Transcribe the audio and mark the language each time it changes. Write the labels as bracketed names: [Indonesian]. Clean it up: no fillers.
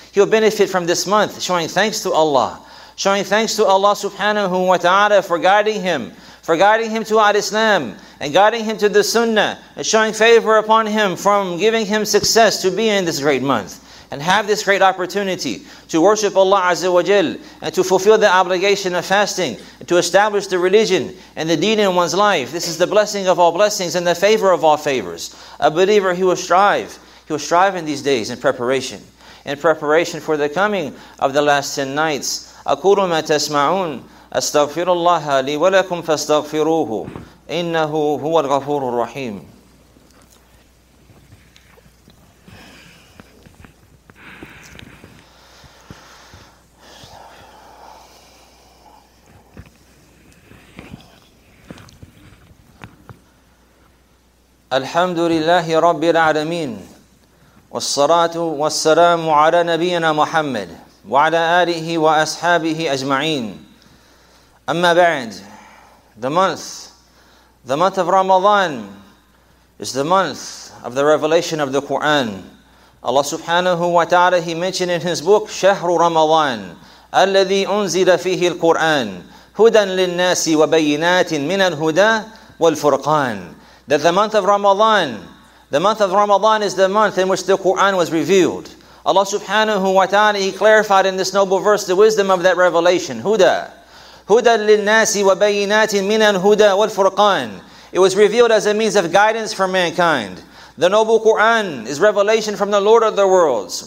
[English] He will benefit from this month, showing thanks to Allah. Showing thanks to Allah subhanahu wa ta'ala for guiding him to al-Islam, and guiding him to the sunnah, and showing favor upon him from giving him success to be in this great month, and have this great opportunity to worship Allah azza wa jal, and to fulfill the obligation of fasting, and to establish the religion and the deen in one's life. This is the blessing of all blessings, and the favor of all favors. A believer, he will strive in these days in preparation for the coming of the last 10 nights. [Arabic] أقول ما تسمعون أستغفر الله لي ولكم فاستغفروه إنه هو الغفور الرحيم. الحمد لله رب العالمين والصلاة والسلام على نبينا محمد وعلى آله وأصحابه أجمعين. [English] أما بعد, the month of Ramadan is the month of the revelation of the Quran. [Arabic] Allah subhanahu wa ta'ala, He mentioned in His book, شهر رمضان الذي أنزل فيه القرآن هدى للناس وبينات من الهدى والفرقان. [English] That the month of Ramadan is the month in which the Quran was revealed. Allah subhanahu wa ta'ala, He clarified in this noble verse the wisdom of that revelation. Huda. [Arabic] Huda lil-nasi wa bayinatin minan huda wal-furqan. [English] It was revealed as a means of guidance for mankind. The noble Quran is revelation from the Lord of the worlds.